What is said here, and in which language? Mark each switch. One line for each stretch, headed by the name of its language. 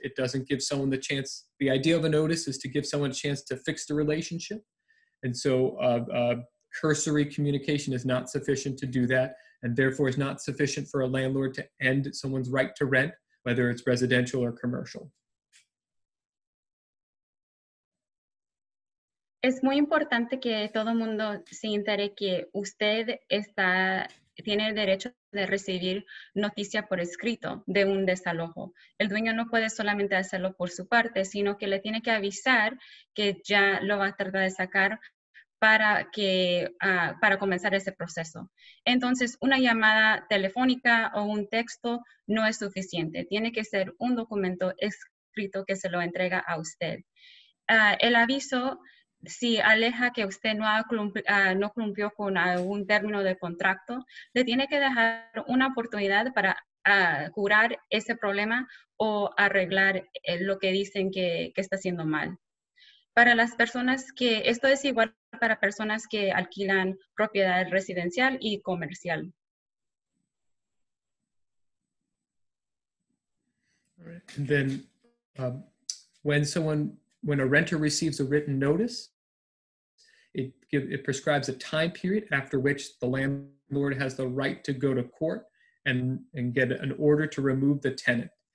English: It doesn't give someone the chance. The idea of a notice is to give someone a chance to fix the relationship. And so cursory communication is not sufficient to do that, and therefore is not sufficient for a landlord to end someone's right to rent, whether it's residential or commercial.
Spanish: Es muy importante que todo mundo se entere que usted está, tiene el derecho de recibir noticia por escrito de un desalojo. El dueño no puede solamente hacerlo por su parte, sino que le tiene que avisar que ya lo va a tratar de sacar para que para comenzar ese proceso. Entonces, una llamada telefónica o un texto no es suficiente. Tiene que ser un documento escrito que se lo entrega a usted. El aviso, si aleja que usted no cumplió con algún término de contrato, le tiene que dejar una oportunidad para curar ese problema o arreglar lo que dicen que está haciendo mal. Para las personas que, esto es igual para personas que alquilan propiedad residencial y comercial.
English: Then, when a renter receives a written notice, it prescribes a time period after which the landlord has the right to go to court and get an order to remove the tenant.